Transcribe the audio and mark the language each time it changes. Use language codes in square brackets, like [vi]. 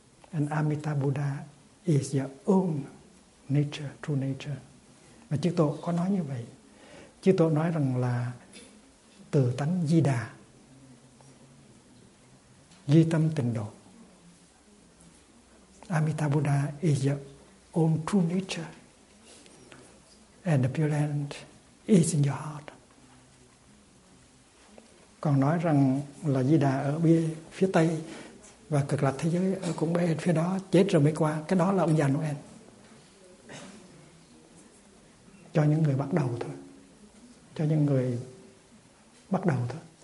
[en] And Amitabha Buddha is your own nature, true nature. [vi] Và Chư Tổ có nói như vậy. Chư Tổ nói rằng là tự tánh Di Đà, duy tâm tịnh độ. [en] Amitabha Buddha is your own true nature. And the Pure Land is in your heart. [vi] Còn nói rằng là Di Đà ở bên phía Tây và Cực Lạc thế giới ở cũng bên phía đó, chết rồi mới qua. Cái đó là ông già Noel. Cho những người bắt đầu thôi. Cho những người bắt đầu thôi.